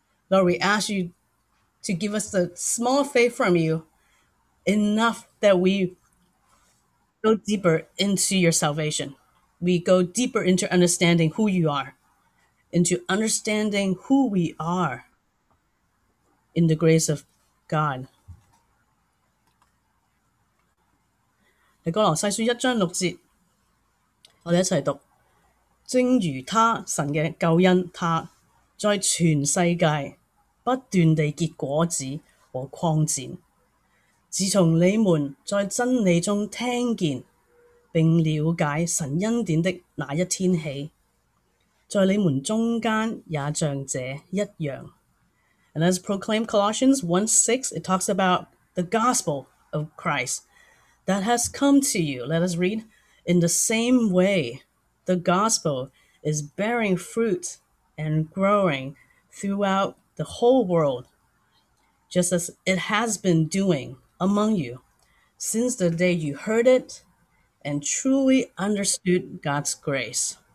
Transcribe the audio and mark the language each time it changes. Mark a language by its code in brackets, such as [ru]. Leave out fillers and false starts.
[en] Lord, we ask you to give us the small faith from you, enough that we go deeper into your salvation. We go deeper into understanding who you are, into understanding who we are in the grace of God. [zh] 在哥罗西书一章六节，我们一起读。正如他神的救恩，他在全世界不断地结果子和扩展，自从你们在真理中听见并了解神恩典的那一天起，在你们中间也像这一样。 [en] And as proclaimed Colossians 1:6, it talks about the gospel of Christ that has come to you. Let us read. In the same way, the gospel is bearing fruit and growing throughout the whole world, just as it has been doing among you since the day you heard it and truly understood God's grace.